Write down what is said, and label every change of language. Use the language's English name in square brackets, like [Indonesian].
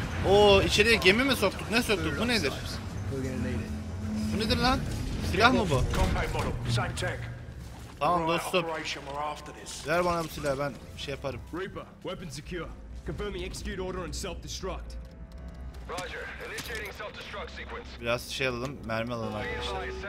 [Turkish] Oo, içeriye gemi mi soktuk? Ne soktuk? Bu nedir? Bu nedir lan? Silah mı bu? Tamam dostum. Ver bana bu silahı, ben şey yaparım. [English] Reaper, weapon secure. Confirming execute order and self-destruct. Roger, initiating self-destruct sequence. [Turkish] Biraz şey alalım, mermi alalım arkadaşlar.